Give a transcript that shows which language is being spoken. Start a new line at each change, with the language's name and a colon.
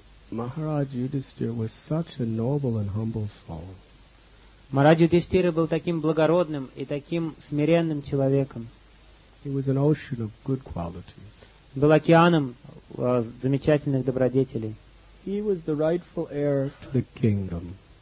English: Махарадж Юдхиштхира was such a noble and humble soul.
Russian: Махарадж Юдхиштхира был таким благородным и таким смиренным человеком.
English: He was an ocean of good qualities.
Russian: Был океаном замечательных добродетелей.
English: He was the rightful heir to the kingdom.